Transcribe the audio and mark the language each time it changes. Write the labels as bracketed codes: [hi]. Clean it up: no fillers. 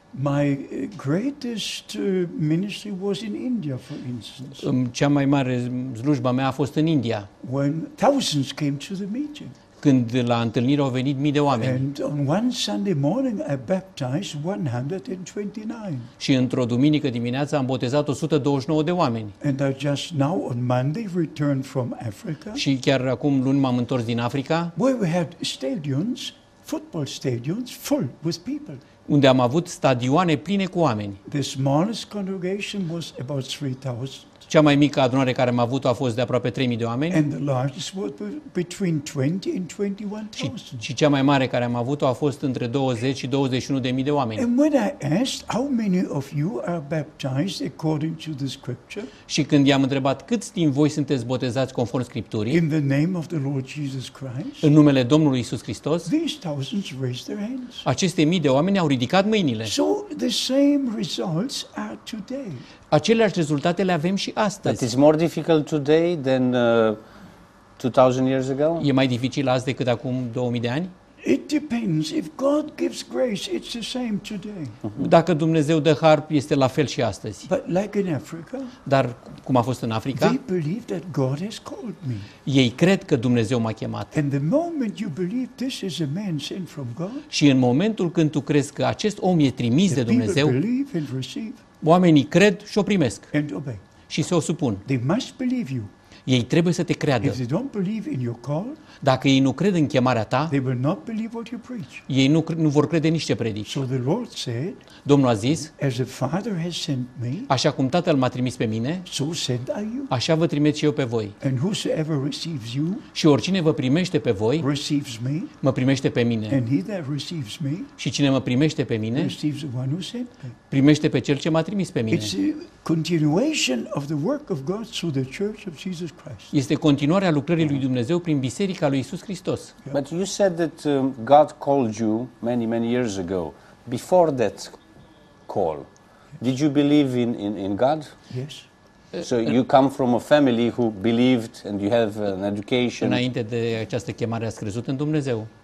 [en] My greatest ministry was in India, for instance. [ro] Cea mai mare slujba mea a fost în India. [en] When thousands came to the meeting. [ro] Când la întâlnire au venit mii de oameni. [en] And on one Sunday morning I baptized 129. [ro] Și într-o duminică dimineață am botezat 129 de oameni. [en] And I just now on Monday returned from Africa. [ro] Și chiar acum luni m-am întors din Africa. [en] Where we had stadiums, football stadiums full with people. [ro] Unde am avut stadioane pline cu oameni. [en] The smallest congregation was about 3,000. [ro] Cea mai mică adunare care am avut-o a fost de aproape 3.000 de oameni. [en] And the largest was between 20 and 21,000. [ro] Și cea mai mare care am avut-o a fost între 20 și 21.000 de oameni. [en] And when I asked how many of you are baptized according to the scripture? [ro] Și când i-am întrebat câți din voi sunteți botezați conform scripturii? [en] In the name of the Lord Jesus Christ. [ro] În numele Domnului Iisus Hristos. [en] These thousands raised their hands. [ro] Aceste mii de oameni au ridicat mâinile. [en] So the same results are today. [ro] Aceleași rezultate le avem și astăzi. [en] That is more difficult today than 2000 years ago. [ro] E mai dificil azi decât acum 2000 de ani? [en] It depends. If God gives grace, it's the same today. [ro] Dacă Dumnezeu dă har, este la fel și astăzi. [en] But like in Africa. [ro] Dar cum a fost în Africa? [en] They believe that God has called me. [ro] Ei cred că Dumnezeu m-a chemat. [en] And the moment you believe this is a man sent from God. [ro] Și în momentul când tu crezi că acest om e trimis de Dumnezeu. [en] People believe and receive. [ro] Oamenii cred și o primesc [en] and obey. [ro] Și se o supun. [en] They must believe you. [ro] Ei trebuie să te creadă. [en] If they don't believe in your call, [ro] dacă ei nu cred în chemarea ta, [en] they will not believe what you preach. [ro] Ei nu vor crede nici ce predici. [en] So the Lord said, [ro] Domnul a zis, [en] as the Father has sent me, [ro] așa cum Tatăl m-a trimis pe mine, [en] so send I you. [ro] Așa vă trimit și eu pe voi. [en] And whosoever receives you, [ro] și oricine vă primește pe voi, [en] receives me, [ro] mă primește pe mine. [en] And he that receives me, [ro] și cine mă primește pe mine, [en] receives the one who sent me. [ro] Primește pe cel ce m-a trimis pe mine. [en] It's a continuation of the work of God through the Church of Jesus Christ. [ro] Este continuarea lucrării lui Dumnezeu prin biserica lui Iisus Hristos. [en] But you said that God called you many many years ago. Before that call, did you believe in God? Yes. So you come from a family who believed and you have an education. [ro] Înainte de această chemare ați crezut în Dumnezeu.